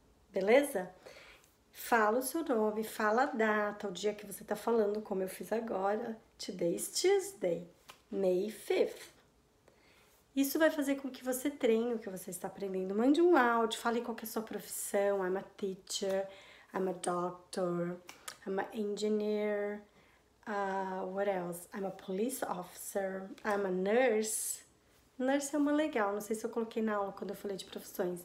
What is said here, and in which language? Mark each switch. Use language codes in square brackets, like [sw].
[pt] Beleza? Fala o seu nome, fala a data, o dia que você está falando, como eu fiz agora. [en] Today's Tuesday, May 5th. [pt] Isso vai fazer com que você treine o que você está aprendendo. Mande um áudio, fale qual que é a sua profissão. [en] I'm a teacher, I'm a doctor, I'm a engineer. What else? I'm a police officer, I'm a nurse. [pt] Nurse é uma legal, não sei se eu coloquei na aula quando eu falei de profissões.